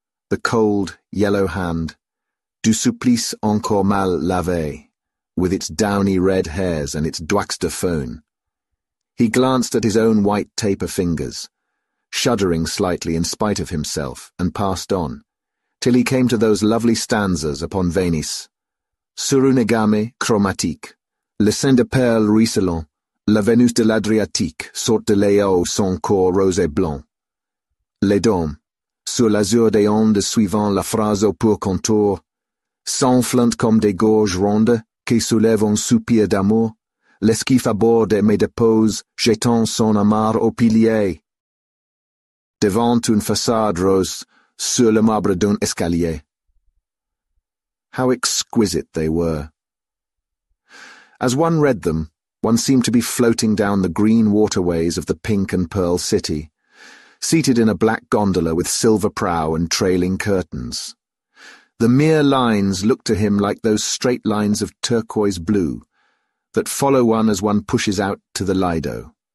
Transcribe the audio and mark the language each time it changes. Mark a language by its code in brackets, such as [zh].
[en] "The cold, yellow hand, [fr] du supplice encore mal lavé, [en] with its downy red hairs and its [fr] doigts de faune." [en] He glanced at his own white taper fingers, shuddering slightly in spite of himself, and passed on, till he came to those lovely stanzas upon Venice. [fr] "Sur une gamme chromatique, le sein de perles ruisselant, la Venus de l'Adriatique sort de l'eau son corps rose et blanc. Les dames, sur l'azur des ondes suivant la phrase au pur contour, s'enflant comme des gorges rondes qui soulèvent un soupir d'amour, l'esquif aborde et me dépose, jetant son amarre au pilier. Devant une façade rose, sur le marbre d'un escalier. [en] How exquisite they were. As one read them, one seemed to be floating down the green waterways of the pink and pearl city, seated in a black gondola with silver prow and trailing curtains. The mere lines looked to him like those straight lines of turquoise blue that follow one as one pushes out to the Lido.